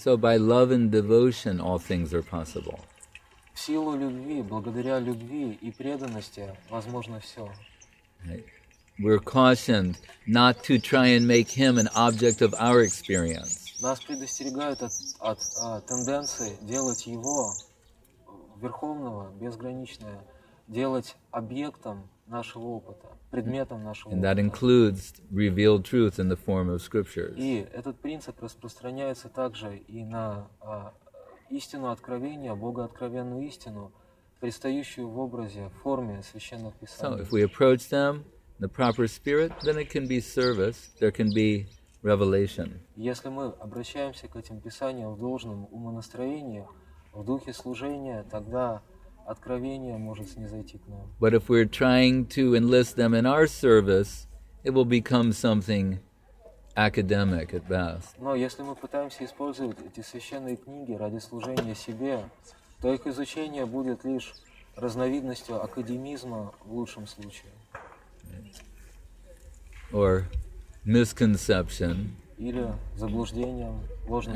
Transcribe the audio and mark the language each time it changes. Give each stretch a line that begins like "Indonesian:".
English: So by love and devotion all things are possible.
Russian: В силу любви, благодаря любви и преданности возможно все.
English: We're cautioned not to try and make him an object of our experience.
Russian: нас предостерегают от тенденции делать его верховного, безграничное, делать объектом нашего опыта, предметом нашего опыта.
English: And that includes revealed truth in the form of scriptures.
Russian: И этот принцип распространяется также и на истину откровения, богооткровенную истину, предстающую в образе, в форме священных писаний.
English: So if we approach them in the proper spirit, then it can be service, there can be revelation.
Russian: Если мы обращаемся к этим писаниям в должном умонастроении, в духе служения, тогда откровение может снизойти к нам.
English: But if we're trying to enlist them in our service, it will become something academic at best.
Russian: Но если мы пытаемся использовать эти священные книги ради служения себе, то их изучение будет лишь разновидностью академизма в лучшем случае.
English: Or misconception.
Russian: Или заблуждением, ложным